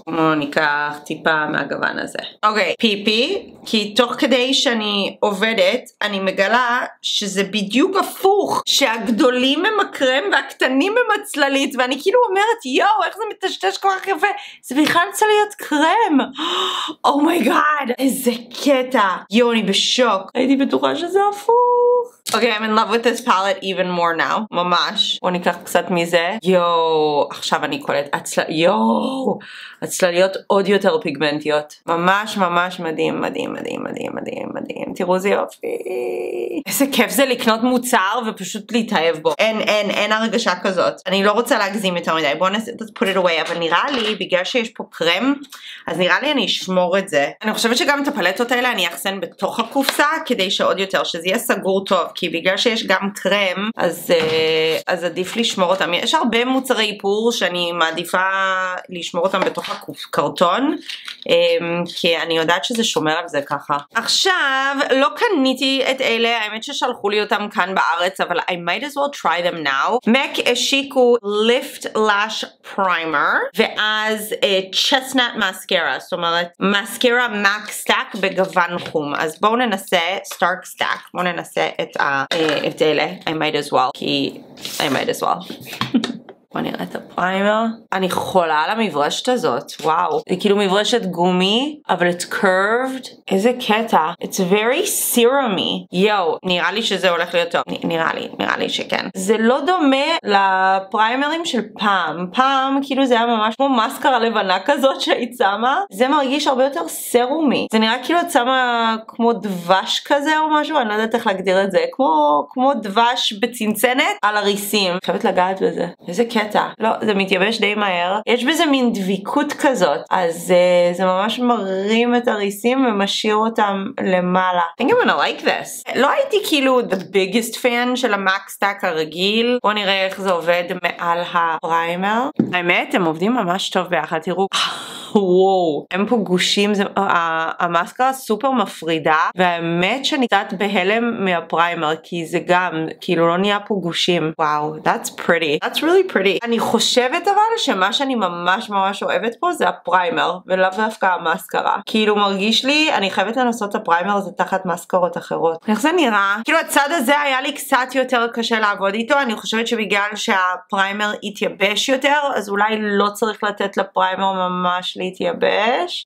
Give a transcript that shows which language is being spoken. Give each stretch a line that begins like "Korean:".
Hebrew: בואו ניקח טיפה מהגוון הזה. אוקיי, פיפי, כי תוך כדי שאני עובדת, אני מגלה שזה בדיוק הפוך, שהגדולים הם הקרם והקטנים הם הצללית, ואני כאילו אומרת, יואו, איך זה מטשטש כל כך יפה, זה בכלל צריך להיות קרם.
English: Oh my god,
Hebrew: איזה קטע. יואו, אני בשוק. הייתי בטוחה שזה הפוך.
English: Okay, I'm in love with this palette even more now.
Hebrew: ממש. בואו ניקח קצת מזה. יואו, עכשיו אני קולט. יואו, הצלליות עוד יותר פיגמנטיות. ממש ממש מדהים, מדהים, מדהים, מדהים, מדהים, מדהים. תראו זה יופי. איזה כיף זה לקנות מוצר ופשוט להתאהב בו. אין הרגשה כזאת. אני לא רוצה להגזים יותר מדי. בואו נעשה,
English: let's put it away.
Hebrew: אבל נראה לי, בגלל שיש פה קרם, אז נראה לי אני אשמור את זה. אני חושבת שגם את הפלטות האלה אני אחסן בתוך הקופסה, כדי שעוד יותר, שזה יהיה סגור טוב. כי בגלל שיש גם קרם, אז עדיף לשמור אותם. יש הרבה מוצרי איפור שאני מעדיפה לשמור אותם בתוך הקרטון, כי אני יודעת שזה שומר על זה ככה. עכשיו, לא קניתי את אלה, האמת ששלחו לי אותם כאן בארץ, אבל
English: I might as well try them now.
Hebrew: MAC השיקו Lift Lash Primer, ואז Chestnut Mascara, זאת אומרת, מסקרה MAC Stack בגוון חום. אז בואו ננסה Stark Stack, בואו ננסה את אלה,
English: I might as well,
Hebrew: כי I might as well. בוא נראה את הפריימר. אני חולה על המברשת הזאת, וואו. זה כאילו מברשת גומי, אבל
English: it's curved.
Hebrew: איזה קטע.
English: It's very serum-y.
Hebrew: יו, נראה לי שזה הולך להיות טוב. נראה לי שכן. זה לא דומה לפריימרים של פעם. פעם, כאילו זה היה ממש כמו מסקרה לבנה כזאת שהיית שמה. זה מרגיש הרבה יותר serum-y. זה נראה כאילו את שמה כמו דבש כזה או משהו, אני לא יודעת איך להגדיר את זה. כמו דבש בצנצנת על הריסים. חייבת לגעת בזה. קטע. לא, זה מתייבש די מהר. יש בזה מין דביקות כזאת. אז זה ממש מרים את הריסים ומשאיר אותם למעלה.
English: I think I'm gonna like this.
Hebrew: לא הייתי כאילו
English: the biggest fan
Hebrew: של המאק סטאק הרגיל. בוא נראה איך זה עובד מעל הפריימר. האמת, הם עובדים ממש טוב ביחד. תראו. וואו, הם פה גושים, המאסקרה סופר מפרידה, והאמת שאני קצת בהלם מהפריימר, כי זה גם, כאילו לא נהיה פה גושים.
English: וואו, that's pretty, that's really pretty.
Hebrew: אני חושבת אבל שמה שאני ממש ממש אוהבת פה זה הפריימר, ולאו דווקא המאסקרה. כאילו מרגיש לי, אני חייבת לנסות את הפריימר הזה תחת מאסקרות אחרות. איך זה נראה? כאילו הצד הזה היה לי קצת יותר קשה לעבוד איתו, אני חושבת שבגלל שהפריימר התייבש יותר, אז אולי לא צריך לתת לפריימר ממש להתייבש.